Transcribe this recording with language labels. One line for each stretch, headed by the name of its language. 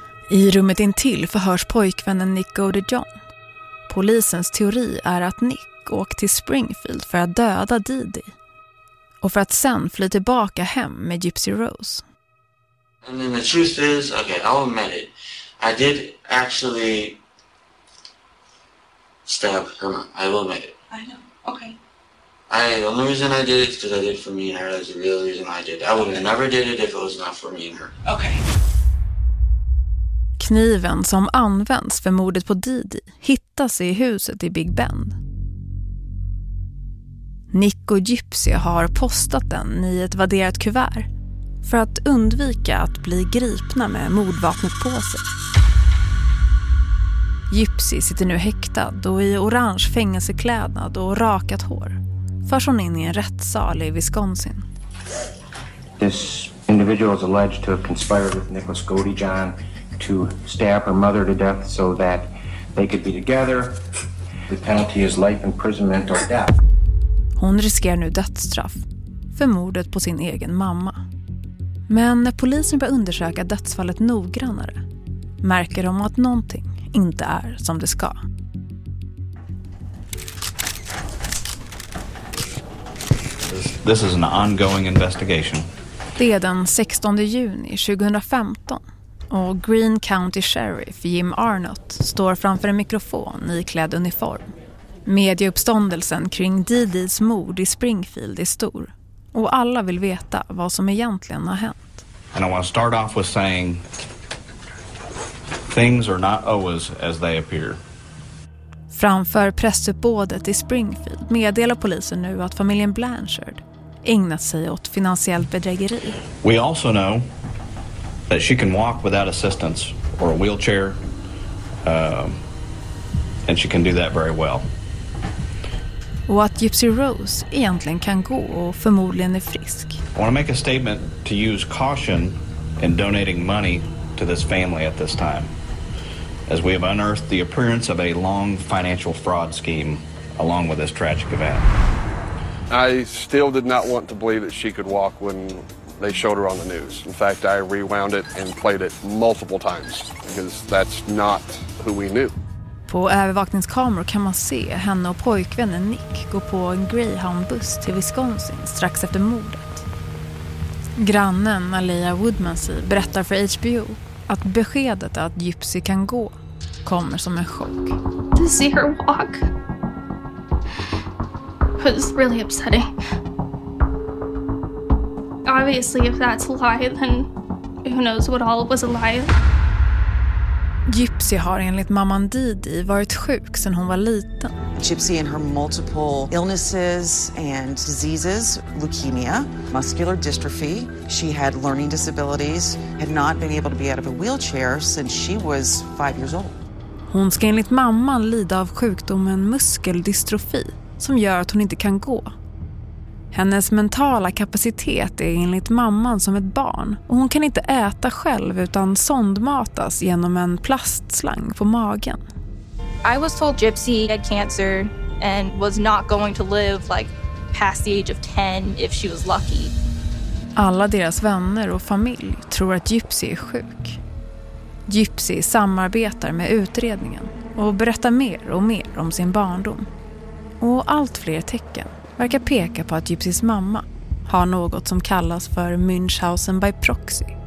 Swedish: I rummet intill förhörs pojkvännen Nick och John. Polisens teori är att Nick åkt till Springfield för att döda Didi och för att sen fly tillbaka hem med Gypsy Rose.
English: And then the truth is, okay, I'll admit it. I did actually stab her. I will admit it. I know. Okay. The only reason I did it is because I did it for me and her. That's the real reason I did it. I would have never did it if it was not for me and her. Okay.
Swedish: Kniven som används för mordet på Didi hittas i huset i Big Bend. Nick och Gypsy har postat den i ett vadderat kuvert för att undvika att bli gripna med mordvapnet på sig. Gypsy sitter nu häktad och i orange fängelseklädnad och rakat hår förs hon in i en rättssal i Wisconsin.
English: This individual is alleged to have conspired with Nicholas Godijohn to stab her mother to death so that they could be together. The penalty is life imprisonment or death.
Swedish: Hon riskerar nu dödsstraff för mordet på sin egen mamma. Men när polisen börjar undersöka dödsfallet noggrannare märker de att någonting inte är som det ska.
English: This is an ongoing investigation.
Swedish: Det är den 16 juni 2015 och Green County Sheriff Jim Arnott står framför en mikrofon iklädd uniform. Medieuppståndelsen kring Didis mord i Springfield är stor och alla vill veta vad som egentligen har hänt.
English: And I want to start off with saying things are not always as they appear.
Swedish: Framför pressuppbådet i Springfield meddelar polisen nu att familjen Blanchard ägnat sig åt finansiellt bedrägeri.
English: We also know that she can walk without assistance or a wheelchair and she can do that very well.
Swedish: Och att Gypsy Rose egentligen kan gå och förmodligen är frisk.
English: I want to make a statement to use caution in donating money to this family at this time, as we have unearthed the appearance of a long financial fraud scheme along with this tragic event. I still did not want to believe that she could walk when they showed her on the news. In fact, I rewound it and played it multiple times because that's not who we knew.
Swedish: På övervakningskameror kan man se henne och pojkvännen Nick gå på en Greyhound-buss till Wisconsin strax efter mordet. Grannen Alia Woodmansey berättar för HBO att beskedet att Gypsy kan gå kommer som en chock.
English: To see her walk was really upsetting. Obviously if that's a lie, then who knows what all was a lie.
Swedish: Gypsy har enligt mamman Didi varit sjuk sedan hon var liten.
English: Gypsy and her multiple illnesses and diseases, leukemia, muscular dystrophy. She had learning disabilities, had not been able to be out of a wheelchair since she was 5 years old.
Swedish: Hon ska enligt mamman lida av sjukdomen muskeldystrofi som gör att hon inte kan gå. Hennes mentala kapacitet är enligt mamman som ett barn och hon kan inte äta själv utan sondmatas genom en plastslang på magen.
English: I was told Gypsy had cancer and was not going to live like past the age of 10 if she was lucky.
Swedish: Alla deras vänner och familj tror att Gypsy är sjuk. Gypsy samarbetar med utredningen och berättar mer och mer om sin barndom. Och allt fler tecken verkar peka på att Gypsys mamma har något som kallas för Münchhausen by proxy.